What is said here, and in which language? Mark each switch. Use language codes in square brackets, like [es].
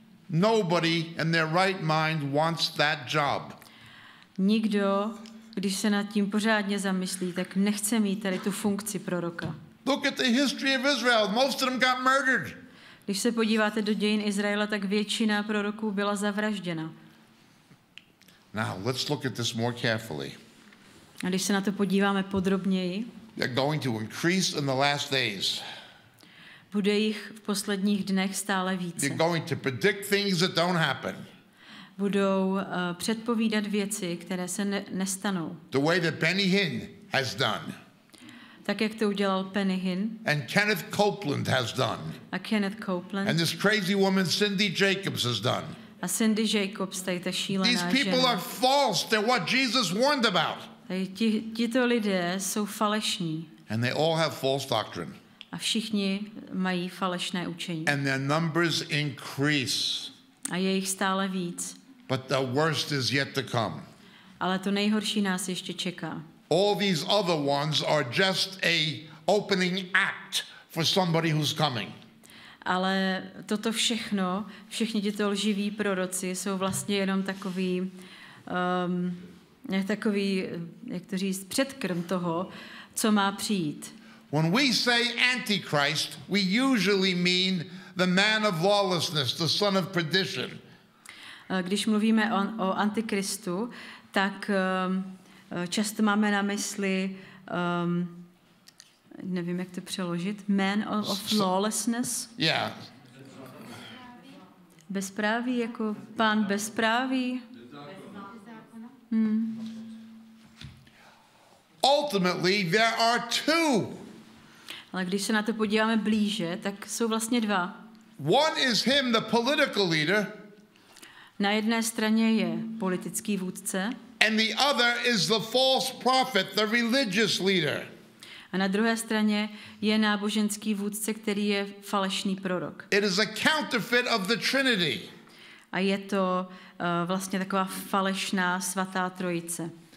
[en] Nobody in their right mind wants that job. [cs] Nikdo, když se nad tím pořádně zamyslí, tak nechce mít tady tu funkci proroka. [en] Look at the history of Israel. Most of them got murdered. [cs] Když se podíváte do dějin Izraela, tak většina proroků byla zavražděna. [en] Now, let's look at this more carefully. [cs] A když se na to podíváme podrobněji, [en] they're going to increase in the last days. [cs] Bude jich v posledních dnech stále více. [en] They're going to predict things that don't happen. [cs] Budou předpovídat věci, které se nestanou. [en] The way that Benny Hinn has done. [cs] Tak, jak to udělal Penny Hinn. [en] And Kenneth Copeland has done. [cs] A Kenneth Copeland. [en] And this crazy woman Cindy Jacobs has done. [cs] A Cindy Jacobs, tady ta šílená žena. [en] These people are false. They're what Jesus warned about. [cs] Tito lidé jsou falešní. [en] And they all have false doctrine. [cs] A všichni mají falešné učení. [en] And their numbers increase. [cs] A je jich stále víc. [en] But the worst is yet to come. [cs] Ale to nejhorší nás ještě čeká. [en] All these other ones are just a opening act for somebody who's coming. [cs] Ale toto všechno, všichni tito lživí proroci jsou vlastně jenom takový takový, jak to říct, předkrm toho, co má přijít. [en] When we say antichrist, we usually mean the man of lawlessness, the son of perdition. [cs] Když mluvíme o antikristu, tak často máme na mysli, nevím, jak to přeložit, [en] man of lawlessness. Yeah. [cs] Bezpráví, jako pán bezpráví. [en] Ultimately, there are two. [cs] Ale když se na to podíváme blíže, tak jsou vlastně dva. [en] One is him, the political leader. [cs] Na jedné straně je politický vůdce. [en] And the other is the false prophet, the religious leader. [cs] A na druhé straně je náboženský vůdce, který je falešný prorok. [en] It is a counterfeit of the Trinity. [cs] A je to vlastně taková falešná svatá trojice.